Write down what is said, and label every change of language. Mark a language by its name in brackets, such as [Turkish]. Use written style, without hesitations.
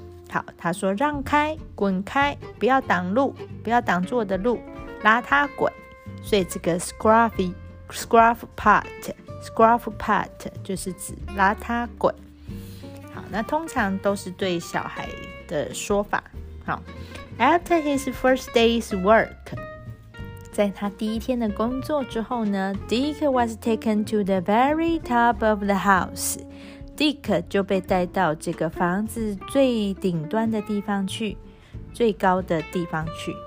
[Chinese] 好，他说让开，滚开，不要挡路，不要挡住我的路，拉他滚。所以这个 scruffy pot 就是指拉他滚。好，那通常都是对小孩的说法。好， [English] After his first day's work, [Chinese] 在他第一天的工作之后呢， [English] Dick was taken to the very top of the house. [Chinese] Dick 就被带到这个房子最顶端的地方去，最高的地方去。